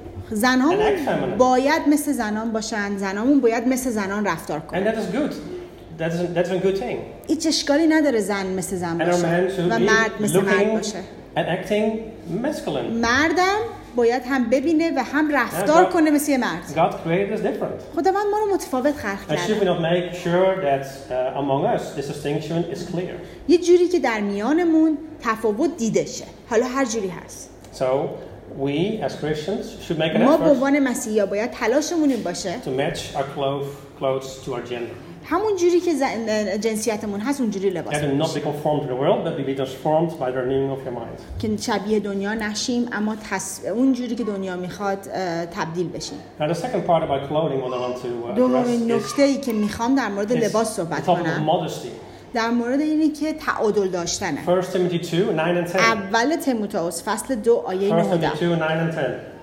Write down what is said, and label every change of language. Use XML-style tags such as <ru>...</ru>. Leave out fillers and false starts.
<fa>زنهامون باید مثل زنان باشن. زنامون باید مثل زنان رفتار کنن.</fa> <en>That's a good thing.</en> <fa>هیچ اشکالی نداره زن مثل زن باشه و مرد مثل مرد باشه.</fa> <en>And acting masculine.</en> <fa>مردم باید هم ببینه و هم رفتار کنه مثل یه مرد.</fa> <en>God created us different.</en> <fa>خداوند ما رو متفاوت خلق کرده.</fa> <en>And should we not make sure that among us this distinction is clear.</en> <fa>یه جوری که در میانمون تفاوت دیده شه. حالا هر جوری هست.</fa> <en>So we as Christians should make an</en> <fa>effort. ما به عنوان مسیحی‌ها باید تلاشمون این باشه.</fa> <en>To match our clothes to our gender.</en> <fa>همون جوری که جنسیتمون هست اونجوری لباس بپوشیم.</fa> <en>And not be conformed to the world, but be transformed by the renewing of your mind.</en> <fa>که شبیه دنیا نشیم اما اون جوری که دنیا میخواد تبدیل بشیم.</fa> <en>And the second part about clothing what I want to address is</en> <fa>نکته‌ای که میخوام در مورد لباس صحبت کنم. در مورد اینی که تعادل داشتنه.</fa> <en>1 Timothy 2 9 and 10.</en> <fa>اول تیموتائوس فصل 2 آیه 9.</fa> <en>1 Timothy 2 9 and 10.</en>